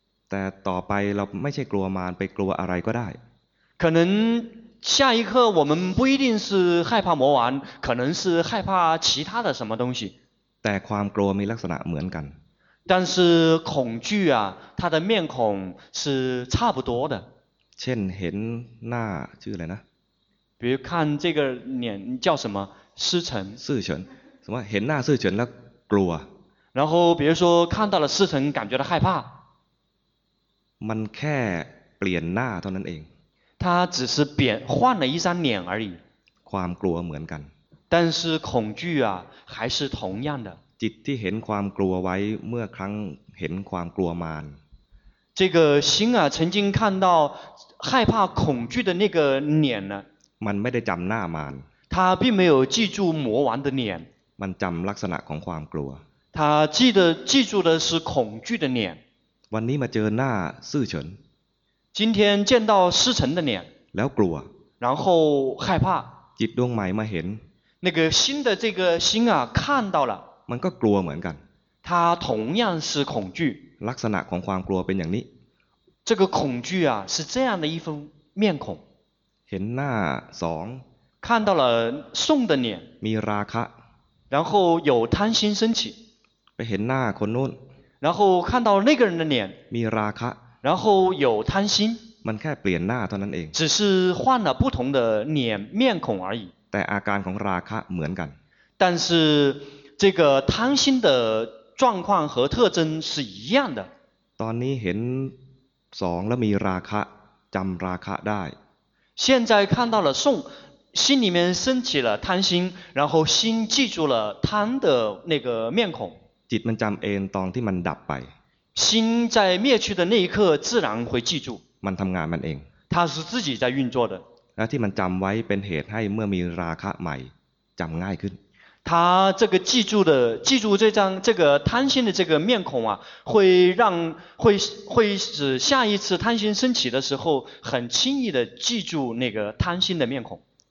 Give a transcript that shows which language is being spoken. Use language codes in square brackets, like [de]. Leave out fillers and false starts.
[th] แต่ต่อไปเราไม่ใช่กลัวมารไปกลัวอะไรก็ได้ [zh] 可能下一刻我们不一定是害怕魔丸可能是害怕其他的什么东西 [th] แต่ความกลัวมีลักษณะเหมือนกัน [zh] 但是恐惧啊它的面孔是差不多的 [th] เช่นเห็นหน้าชื่ออะไรนะ [zh] 比如看这个脸叫什么师承师承什么 [th] เห็นหน้าสื่อเฉินแล้วกลัว [zh] 然后比如说看到了师承感觉到害怕 [th] มันแค่เปลี่ยนหน้าเท่านั้นเอง [zh] 它只是换了一张脸而已 [th] ความกลัวเหมือนกัน [zh] 但是恐惧啊还是同样的 [th] จิตที่เห็นความกลัวไว้เมื่อครั้งเห็นความกลัวมาร [zh] 这个心啊曾经看到害怕恐惧的那个脸呢 [th] มันไม่ได้จำหน้ามาร [zh] 它并没有记住魔王的脸 [th] มันจำลักษณะของความกลัว [zh] 它记住的是恐惧的脸 [th] วันนี้มาเจอหน้าซื่อเฉิน [zh] 今天见到师承的脸 [th] แล้วกลัว [zh] 然后害怕 [th] จิตดวงใหม่มาเห็น [zh] 那个新的这个心啊看到了 [th] มันก็กลัวเหมือนกัน [zh] 它同样是恐惧 [th] ลักษณะของความกลัวเป็นอย่างนี้ [zh] 这个恐惧啊是这样的一份面孔 [th] เห็นหน้าสอง [zh] 看到了送的脸 [th] มีราคะ [zh] 然后有贪心升起 [th] ไปเห็นหน้าคนนู้น [zh] 然后看到那个人的脸 [th] มีราคะ [zh] 然后有贪心 [th] มันแค่เปลี่ยนหน้าเท่านั้นเอง [zh] 只是换了不同的脸面孔而已 [th] แต่อาการของราคะเหมือนกัน [zh] 但是这个贪心的状况和特征是一样的。 [th] ตอนนี้เห็นสองแล้วมีราคะจำราคะได้ [zh] 现在看到了送心里面升起了贪心然后心记住了贪的那个面孔 [th] จิตมันจำเองตอนที่มันดับไป [zh] 心在灭去的那一刻自然会记住 [th] มันทำงานมันเอง [zh] 它是自己在运作的 [th] และที่มันจำไว้เป็นเหตุให้เมื่อมีราคะใหม่จำง่ายขึ้น ทาจะก็ [zh] 记住的记住这张这个贪心的这个面孔啊会让会会使下一次贪心升起的时候很轻易的记住那个贪心的面孔